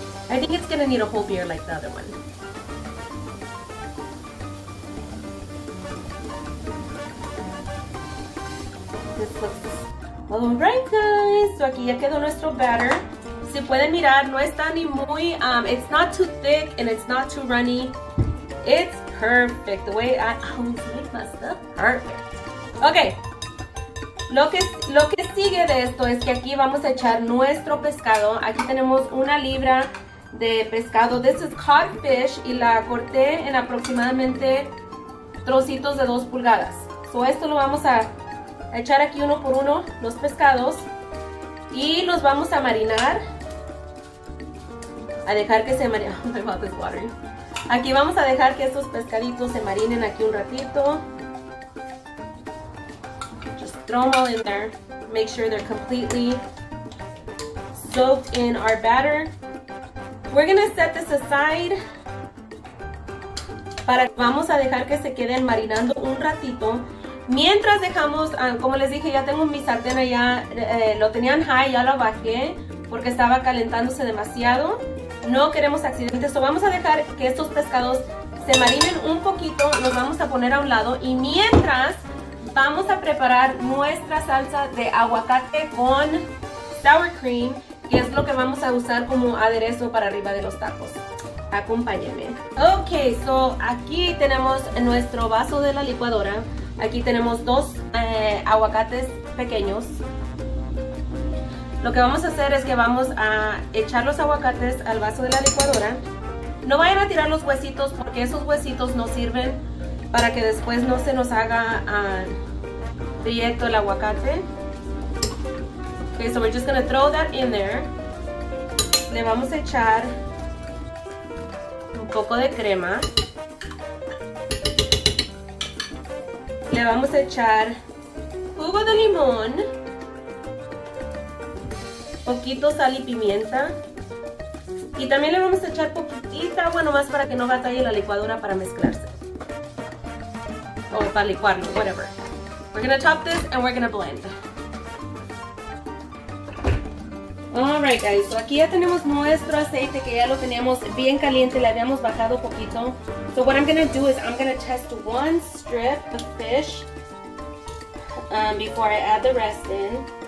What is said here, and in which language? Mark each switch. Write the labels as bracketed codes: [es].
[en] I think it's going to need a whole beer like the other one. This looks... All right, guys. So [es] aquí ya quedó nuestro [en] batter. [es] Si pueden mirar, no está ni muy... [en] it's not too thick and it's not too runny. It's perfect. The way I always make my stuff perfect. Okay. [es] Lo que sigue de esto es que aquí vamos a echar nuestro pescado. Aquí tenemos una libra de pescado. [en] This is codfish [es] y la corté en aproximadamente trocitos de 2 pulgadas. So esto lo vamos a echar aquí uno por uno, los pescados, y los vamos a marinar, a dejar que se marinen. [en] My mouth is watering. [es] Aquí vamos a dejar que estos pescaditos se marinen aquí un ratito. [en] Just throw them all in there, make sure they're completely soaked in our batter. We're gonna set this aside. [es] Vamos a dejar que se queden marinando un ratito. Mientras dejamos, como les dije, ya tengo mi sartén allá. Lo tenían high, ya lo bajé porque estaba calentándose demasiado. No queremos accidentes. So vamos a dejar que estos pescados se marinen un poquito. Los vamos a poner a un lado. Y mientras, vamos a preparar nuestra salsa de aguacate con sour cream. Y es lo que vamos a usar como aderezo para arriba de los tacos. Acompáñenme. Ok, so aquí tenemos nuestro vaso de la licuadora. Aquí tenemos 2 aguacates pequeños. Lo que vamos a hacer es que vamos a echar los aguacates al vaso de la licuadora. No vayan a tirar los huesitos porque esos huesitos nos sirven para que después no se nos haga directo el aguacate. [en] Okay, so we're just gonna throw that in there. [es] Le vamos a echar un poco de crema. Le vamos a echar jugo de limón, poquito sal y pimienta. Y también le vamos a echar poquitita agua nomás para que no batalle la licuadora para mezclarse. O para licuarlo, whatever. [en] We're gonna top this and we're gonna blend. Alright, guys, [es] so aquí ya tenemos nuestro aceite que ya lo teníamos bien caliente, le habíamos bajado poquito. [en] So what I'm gonna do is I'm gonna test one strip of fish before I add the rest in.